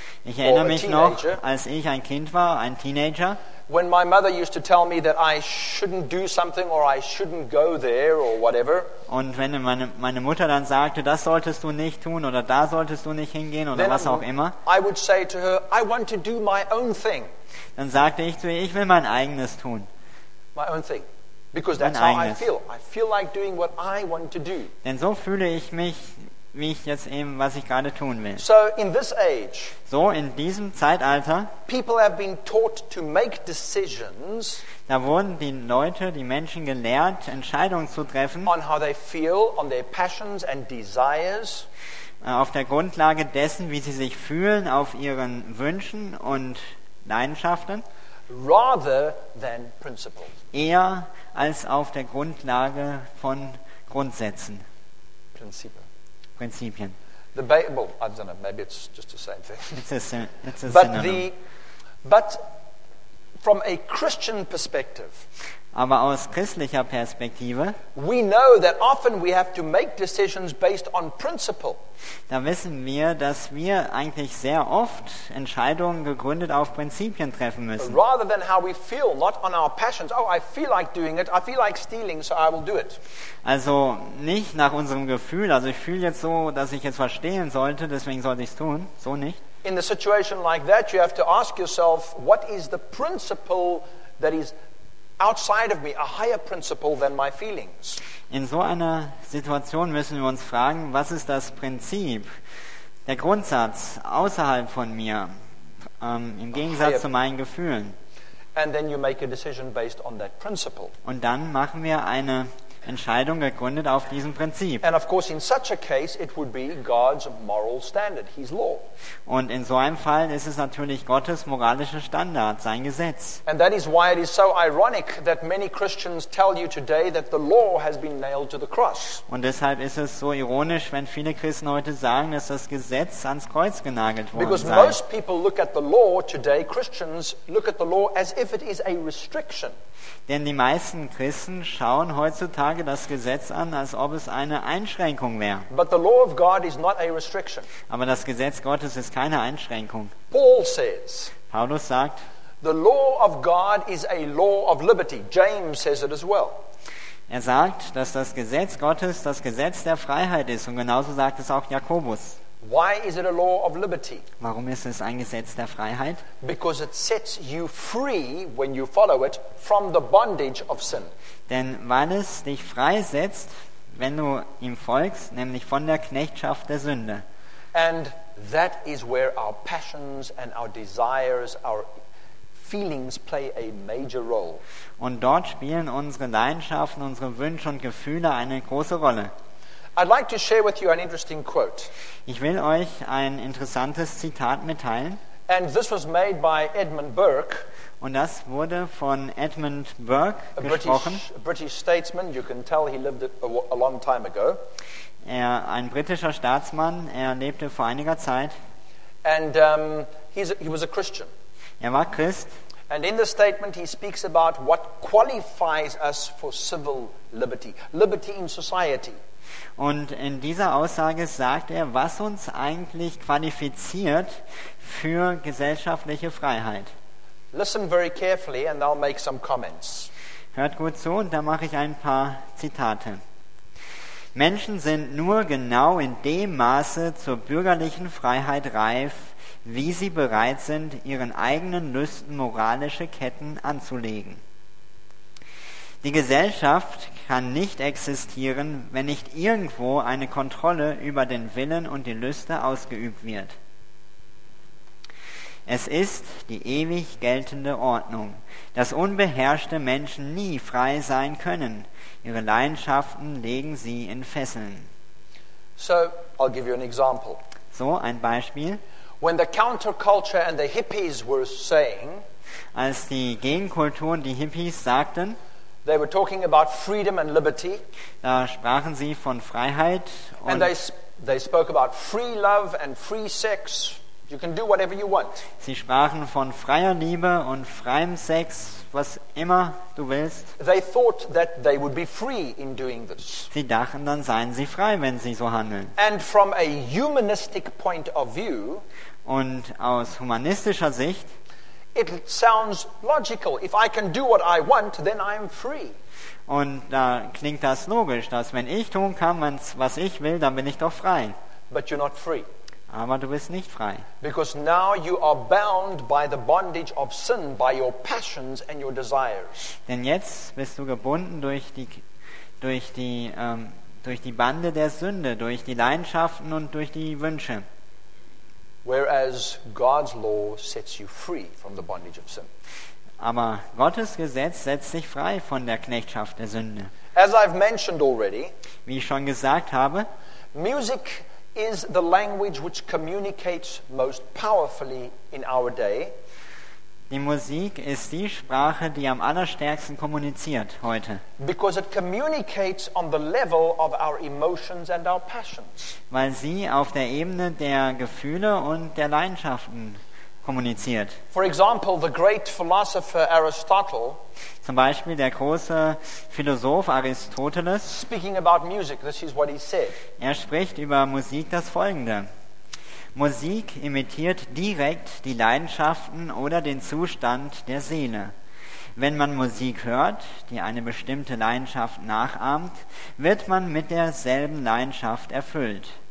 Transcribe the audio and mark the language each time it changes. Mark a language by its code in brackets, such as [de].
[de] Ich erinnere mich noch, als ich ein Kind war, ein Teenager. [en] When my mother used to tell me that I shouldn't do something or I shouldn't go there or whatever. [de] Und wenn meine Mutter dann sagte, das solltest du nicht tun oder da solltest du nicht hingehen oder was auch immer. [en] I would say to her, I want to do my own thing. [de] Dann sagte ich zu ihr, ich will mein eigenes tun. [en] My own thing. Because that's how I feel. I feel like doing what I want to do. [de] Denn so fühle ich mich, wie ich jetzt eben, was ich gerade tun will. [en] So in this age, [de] so in diesem Zeitalter, [en] people have been taught to make decisions, [de] da wurden die Leute, die Menschen gelehrt, Entscheidungen zu treffen, [en] on how they feel, on their passions and desires, [de] auf der Grundlage dessen, wie sie sich fühlen, auf ihren Wünschen und Leidenschaften, [en] rather than principles, [de] eher als auf der Grundlage von Grundsätzen. Prinzipien. [en] I don't know, maybe it's just the same thing. It's a but synonym. But from a Christian perspective. [de] Aber aus christlicher Perspektive. [en] We know that often we have to make decisions based on principle. [de] Da wissen wir, dass wir eigentlich sehr oft Entscheidungen gegründet auf Prinzipien treffen müssen. [en] Rather than how we feel, not on our passions. Oh, I feel like doing it. I feel like stealing, so I will do it. [de] Also nicht nach unserem Gefühl. Also ich fühle jetzt so, dass ich jetzt was stehlen sollte. Deswegen sollte ich es tun. So nicht. [en] In a situation like that, you have to ask yourself, what is the principle that is outside of me, a higher principle than my feelings. [de] In so einer Situation müssen wir uns fragen, was ist das Prinzip, der Grundsatz außerhalb von mir, im Gegensatz zu meinen Gefühlen. [en] And then you make a decision based on that principle. [de] Und dann machen wir eine Entscheidung gegründet auf diesem Prinzip. [en] And of course in such a case it would be God's moral standard, his law. [de] Und in so einem Fall ist es natürlich Gottes moralischer Standard, sein Gesetz. [en] And that is why it is so ironic that many Christians tell you today that the law has been nailed to the cross. [de] Und deshalb ist es so ironisch, wenn viele Christen heute sagen, dass das Gesetz ans Kreuz genagelt worden [en] Because [de] sei. [en] Because most people look at the law today, Christians look at the law as if it is a restriction. [de] Denn die meisten Christen schauen heutzutage das Gesetz an, als ob es eine Einschränkung wäre. [en] But the law of God is not a restriction. [de] Aber das Gesetz Gottes ist keine Einschränkung. [en] Paul says, [de] Paulus sagt, [en] the law of God is a law of liberty. James says it as well. [de] Er sagt, dass das Gesetz Gottes das Gesetz der Freiheit ist, und genauso sagt es auch Jakobus. [en] Why is it a law of liberty? [de] Warum ist es ein Gesetz der Freiheit? [en] Because it sets you free when you follow it from the bondage of sin. [de] Denn weil es dich freisetzt, wenn du ihm folgst, nämlich von der Knechtschaft der Sünde. [en] And that is where our passions and our desires, our feelings play a major role. [de] Und dort spielen unsere Leidenschaften, unsere Wünsche und Gefühle eine große Rolle. [en] I'd like to share with you an interesting quote. [de] Ich will euch ein interessantes Zitat mitteilen. [en] And this was made by Edmund Burke. [de] Und das wurde von Edmund Burke gesprochen. [en] A British statesman, you can tell he lived a long time ago. [de] Er ein britischer Staatsmann, er lebte vor einiger Zeit. [en] And he was a Christian. [de] Er war Christ. [en] And in the statement he speaks about what qualifies us for civil liberty, liberty in society. [de] Und in dieser Aussage sagt er, was uns eigentlich qualifiziert für gesellschaftliche Freiheit. [en] Listen very carefully and I'll make some comments. [de] Hört gut zu und da mache ich ein paar Zitate. Menschen sind nur genau in dem Maße zur bürgerlichen Freiheit reif, wie sie bereit sind, ihren eigenen Lüsten moralische Ketten anzulegen. Die Gesellschaft kann nicht existieren, wenn nicht irgendwo eine Kontrolle über den Willen und die Lüste ausgeübt wird. Es ist die ewig geltende Ordnung, dass unbeherrschte Menschen nie frei sein können. Ihre Leidenschaften legen sie in Fesseln. [en] So, I'll give you an example. [de] So, ein Beispiel. [en] When the counterculture and the hippies were saying, [de] als die Gegenkultur und die Hippies sagten, [en] they were talking about freedom and liberty. [de] Da sprachen sie von Freiheit und [en] they spoke about free love and free sex. You can do whatever you want. [de] Sie sprachen von freier Liebe und freiem Sex, was immer du willst. [en] They thought that they would be free in doing this. [de] Sie dachten, dann seien sie frei, wenn sie so handeln. [en] And from a humanistic point of view, [de] und aus humanistischer Sicht, [en] it sounds logical. If I can do what I want, then I am free. [de] Und da klingt das logisch, dass wenn ich tun kann, was ich will, dann bin ich doch frei. [en] But you're not free. [de] Aber du bist nicht frei. [en] Because now you are bound by the bondage of sin, by your passions and your desires. [de] Denn jetzt bist du gebunden durch die Bande der Sünde, durch die Leidenschaften und durch die Wünsche. [en] Whereas God's law sets you free from the bondage of sin. [de] Aber Gottes Gesetz setzt dich frei von der Knechtschaft der Sünde. [en] As I've mentioned already, [de] wie ich schon gesagt habe, [en] Music is the language which communicates most powerfully in our day. [de] Die Musik ist die Sprache, die am allerstärksten kommuniziert heute. [en] Because it communicates on the level of our emotions and our passions. [de] Weil sie auf der Ebene der Gefühle und der Leidenschaften kommuniziert. [en] For example, the great philosopher Aristotle, [de] zum Beispiel der große Philosoph Aristoteles, [en] speaking about music, this is what he said. [de] Er spricht über Musik das Folgende: Musik imitiert direkt die Leidenschaften oder den Zustand der Seele. Wenn man Musik hört, die eine bestimmte Leidenschaft nachahmt, wird man mit derselben Leidenschaft erfüllt.